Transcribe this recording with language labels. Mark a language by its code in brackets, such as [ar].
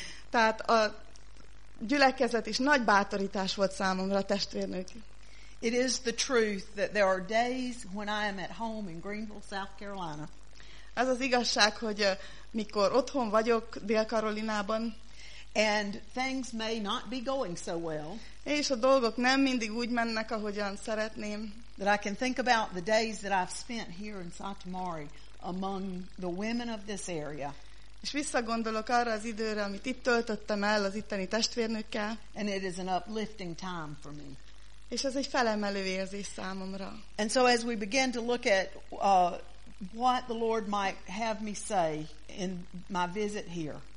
[hu] Tehát a gyülekezet is nagy bátorítás volt számomra, testvérnők. [en] It is the truth that there are days when I am at home in Greenville, South Carolina. [hu] Ez az igazság, hogy mikor otthon vagyok Dél-Karolinában, [en] and things may not be going so well. [hu] És a dolgok nem mindig úgy mennek, ahogyan szeretném. [en] That I can think about the days that I've spent here in Satomari among the women of this area. [hu] És visszagondolok arra az időre, amit itt töltöttem el az itteni testvérnőkkel. [en] And it is an uplifting time for me. [hu] És ez egy felemelő érzés számomra. [en] And so as we begin to look at what the Lord might have me say in my visit here.